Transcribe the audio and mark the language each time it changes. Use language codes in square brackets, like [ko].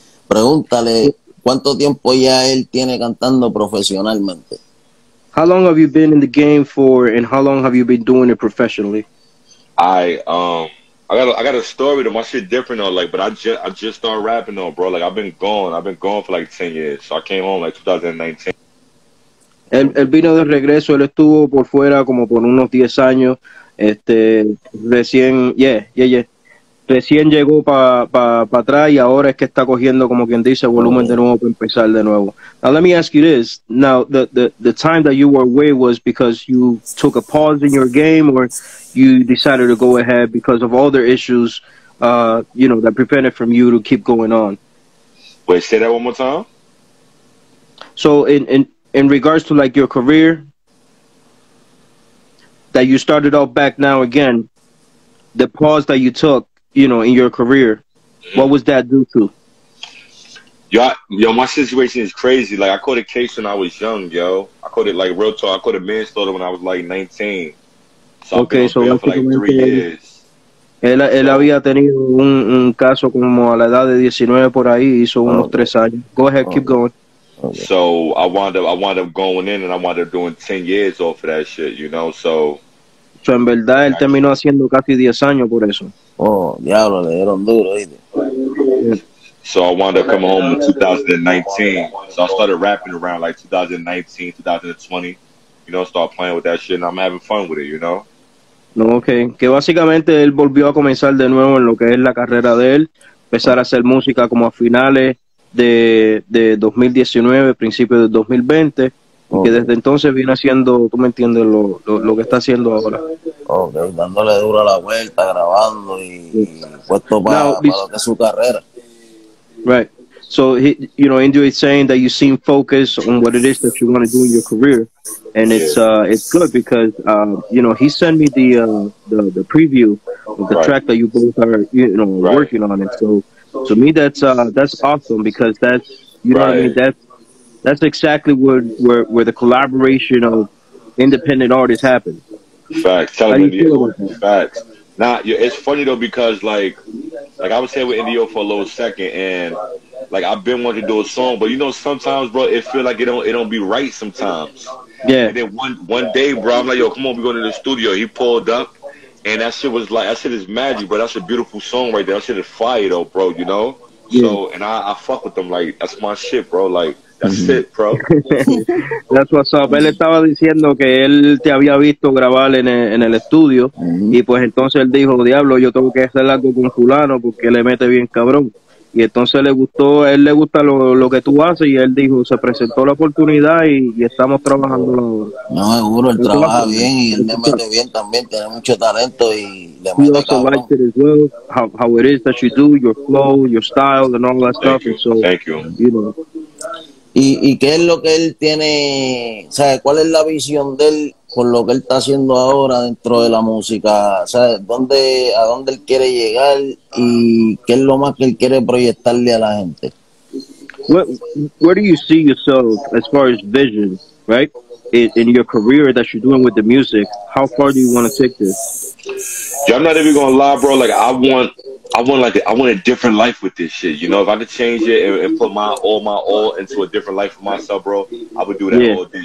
[es] Pregúntale, ¿cuánto tiempo ya él tiene cantando profesionalmente? [en] How long have you been in the game for, and how long have you been doing it professionally? I got a story though. My shit different though. Like, but I just started rapping though, bro. Like, I've been gone for like 10 years. So I came home like 2019. [es] El vino de regreso. Él estuvo por fuera como por unos 10 años. Recién llegó pa atrás y ahora es que está cogiendo, como quien dice, volumen de nuevo para empezar de nuevo. [en] Now, let me ask you this. Now, the time that you were away was because you took a pause in your game, or you decided to go ahead because of other issues, you know, that prevented from you to keep going on? Wait, say that one more time. So, in regards to, like, your career, that you started off back now again, the pause that you took, you know, in your career, what was that due to? Yo, my situation is crazy. Like, I caught a case when I was young, yo. I caught it, like, real talk. I caught a manslaughter when I was, like, 19. So okay, I've been for, like, 3 years. [es] Él había tenido un caso como a la edad de 19 por ahí, hizo unos 3 años. [en] Go ahead, keep going. So I wound up going in, and I wound up doing 10 years off of that shit, you know, so... [es] So en verdad, él terminó haciendo casi 10 años por eso. Oh, diablo, le dieron duro, ¿viste? [en] So I wound up coming home in 2019. So I started rapping around like 2019, 2020. You know, start playing with that shit, and I'm having fun with it, you know? No, okay. [es] Que básicamente él volvió a comenzar de nuevo en lo que es la carrera de él. Empezar a hacer música como a finales de 2019, principios de 2020. Okay. Y que desde entonces viene haciendo, tú me entiendes, lo que está haciendo ahora. Ok, dándole duro a la vuelta, grabando y puesto para lo que es su carrera. [en] Right. So, you know, Indio is saying that you seem focused on what it is that you want to do in your career. And it's good because, you know, he sent me the preview of the track that you both are, you know, working on. And so, to me, that's awesome because that's, you know what I mean? That's exactly where the collaboration of independent artists happens. Facts. Tell me the facts. Nah, it's funny though because like I was here with Indio for a little second, and like I've been wanting to do a song, but you know sometimes, bro, it feel like it don't be right sometimes. Yeah. And then one day, bro, I'm like, yo, come on, we going to the studio. He pulled up, and that shit was like, that shit is magic, bro. That's a beautiful song right there. That shit is fire though, bro. You know. Yeah. So and I fuck with them like that's my shit, bro. Like. That's it, bro. That's what's up. [es] Él estaba diciendo que él te había visto grabar en el estudio. Mm-hmm. Y pues entonces él dijo, diablo, yo tengo que hacer algo con fulano porque le mete bien cabrón. Y entonces le gustó, él le gusta lo que tú haces. Y él dijo, se presentó la oportunidad y estamos trabajando. No, seguro, él trabaja bien y él le mete bien también. Tiene mucho talento y le mete cabrón. [en] He also liked it as well, how it is that you do, your flow, your style, and all that stuff. Thank you. So, thank you. You know. [es] ¿Y qué es lo que él tiene, o sea, cuál es la visión de él con lo que él está haciendo ahora dentro de la música? O sea, ¿a dónde él quiere llegar y qué es lo más que él quiere proyectarle a la gente? [en] Where do you see yourself as far as vision, right? In your career that you're doing with the music, how far do you want to take this? Yo, I'm not even going to lie, bro. Like, I want a different life with this shit. You know, if I could change it and put my all into a different life for myself, bro, I would do that all day.